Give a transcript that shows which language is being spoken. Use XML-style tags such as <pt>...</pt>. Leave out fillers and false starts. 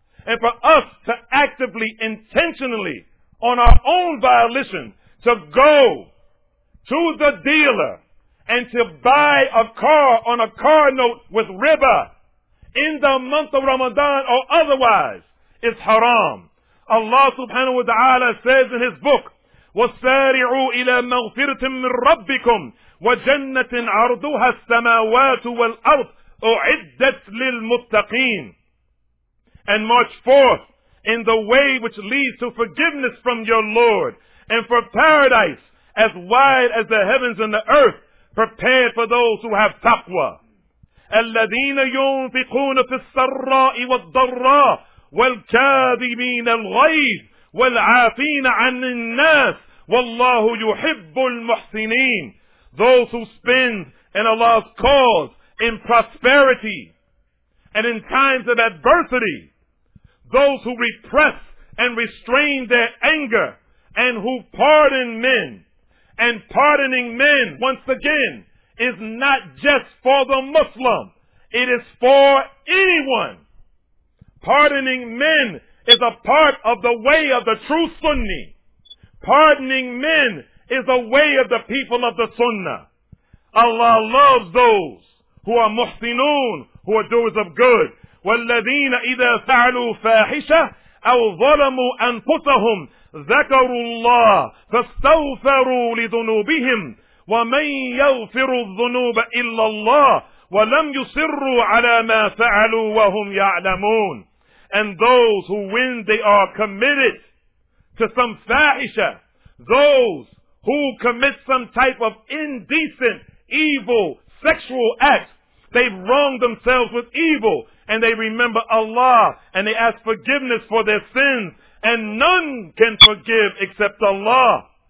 <en>And for us to actively, intentionally, on our own volition, to go to the dealer and to buy a car on a car note with riba in the month of Ramadan or otherwise is haram. Allah subhanahu wa ta'ala says in his book,</en> <ar>وَسَارِعُوا إِلَى مَغْفِرَةٍ مِّن رَبِّكُمْ وَجَنَّةٍ عَرْضُهَا السَّمَاوَاتُ وَالْأَرْضُ أُعِدَّتْ لِلْمُتَّقِينَ.</ar> <en>And march forth in the way which leads to forgiveness from your Lord, and for paradise as wide as the heavens and the earth, prepared for those who have taqwa.</en> <ar>الَّذِينَ يُنْفِقُونَ فِي السَّرَّاءِ وَالضَّرَّاءِ وَالْكَاذِبِينَ الْغَيْظِ وَالْعَافِينَ عَنِ النَّاسِ وَاللَّهُ يُحِبُّ الْمُحْسِنِينَ.</ar> <en>Those who spend in Allah's cause in prosperity and in times of adversity, those who repress and restrain their anger, and who pardon men. And pardoning men, once again, is not just for the Muslim. It is for anyone. Pardoning men is a part of the way of the true Sunni. Pardoning men is a way of the people of the Sunnah. Allah loves those who are muhsinun, who are doers of good.</en> <ar>والذين إذا فعلوا فاحشة أو ظلموا أنفسهم ذكروا الله فاستغفروا لذنوبهم ومن يغفر الذنوب إلا الله ولم يصروا على ما فعلوا وهم يعلمون.</ar> <en>And those who when they are committed to some fahisha, those who commit some type of indecent, evil, sexual act, they've wronged themselves with evil, and they remember Allah, and they ask forgiveness for their sins, and none can forgive except Allah.</en>